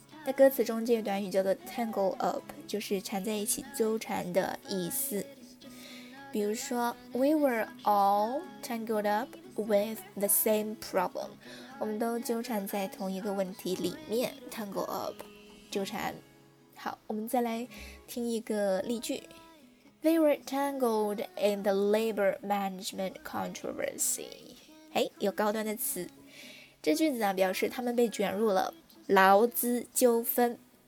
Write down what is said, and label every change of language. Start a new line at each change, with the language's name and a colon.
Chinese: 那歌词中这个短语叫做 tangle up， 就是缠在一起纠缠的意思。比如说
English: We were all tangled up with the same problem，
Chinese: 我们都纠缠在同一个问题里面， tangle up， 纠缠。好，我们再来听一个例句。
English: They were tangled in the labor management controversy。
Chinese: 哎，有高端的词。这句子啊，表示他们被卷入了劳资纠纷。